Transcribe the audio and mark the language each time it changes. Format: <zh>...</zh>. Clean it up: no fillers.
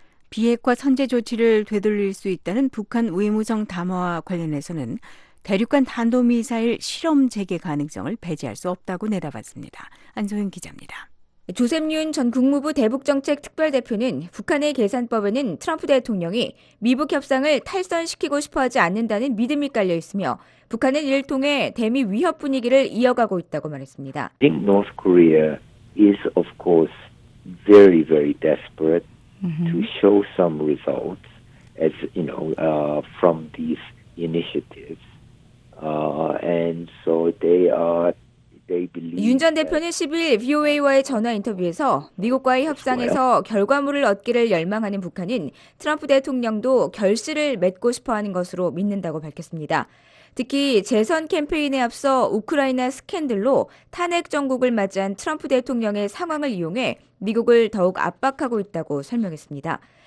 <ko>비핵화 선제 조치를 되돌릴 수 있다는 북한 외무성 담화와 관련해서는 대륙간 탄도미사일 실험 재개 가능성을 배제할 수 없다고 내다봤습니다. 안소영 기자입니다. 조셉 윤 전 국무부 대북정책특별대표는 북한의 계산법에는 트럼프 대통령이 미북 협상을 탈선시키고 싶어하지 않는다는 믿음이 깔려 있으며 북한은 이를 통해 대미 위협 분위기를 이어가고 있다고 말했습니다.</ko> <en>I think North Korea is of course very very desperate to show some results as you know from these initiatives. And so they are</en> <ko>윤 전 대표는 10일 VOA와의 전화 인터뷰에서 미국과의 협상에서 결과물을 얻기를 열망하는 북한은 트럼프 대통령도 결실을 맺고 싶어하는 것으로 믿는다고 밝혔습니다. 특히 재선 캠페인에 앞서 우크라이나 스캔들로 탄핵 정국을 맞이한 트럼프 대통령의 상황을 이용해 미국을 더욱 압박하고 있다고 설명했습니다.</ko>